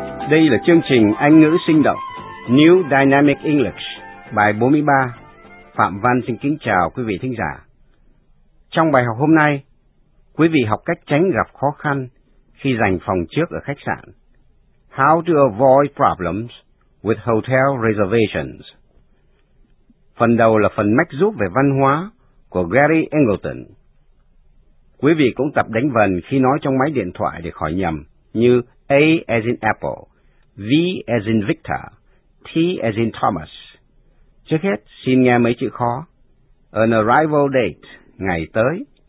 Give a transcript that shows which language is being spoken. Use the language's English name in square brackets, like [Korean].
[Vietnamese] Đây là chương trình Anh ngữ sinh động New Dynamic English, bài 43. Phạm Văn xin kính chào quý vị thính giả. Trong bài học hôm nay, quý vị học cách tránh gặp khó khăn khi dành phòng trước ở khách sạn. [English] How to avoid problems with hotel reservations. [Vietnamese] Phần đầu là phần mách giúp về văn hóa của Gary Engleton. Quý vị cũng tập đánh vần khi nói trong máy điện thoại để khỏi nhầm như A as in Apple, V as in Victor, T as in Thomas. Trước hết, xin nghe mấy chữ khó. An arrival date, ngày tới.